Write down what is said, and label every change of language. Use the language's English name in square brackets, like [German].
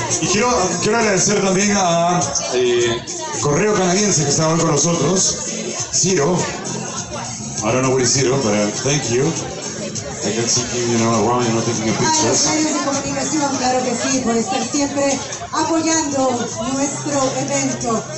[Spanish] Y quiero agradecer también a Correo Canadiense, que está hoy con nosotros. Ciro. [English] I don't know what is Ciro, but thank you. I can see you, you know, around, you're not taking your pictures. [Spanish] A los medios de comunicación, claro que sí, por estar siempre apoyando nuestro evento.